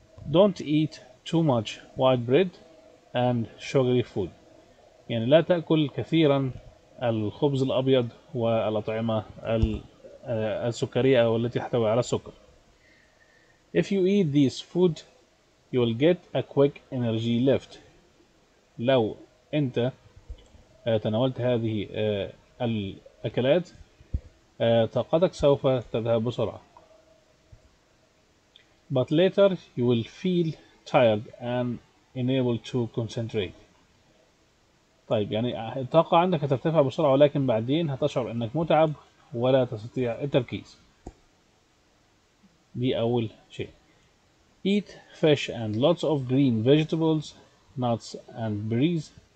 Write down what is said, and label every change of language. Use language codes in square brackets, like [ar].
[en] Don't eat too much white bread and sugary food [ar] يعني لا تأكل كثيرا الخبز الأبيض والأطعمة السكرية والتي تحتوي على السكر. [en] If you eat this food you'll get a quick energy lift. [ar] لو أنت تناولت هذه الأكلات طاقتك سوف تذهب بسرعة. [en] But later you will feel tired and unable to concentrate. [ar] طيب يعني الطاقة عندك هترتفع بسرعة ولكن بعدين هتشعر انك متعب ولا تستطيع التركيز. دي اول شيء. [en] Eat fish and lots of green vegetables, nuts and berries.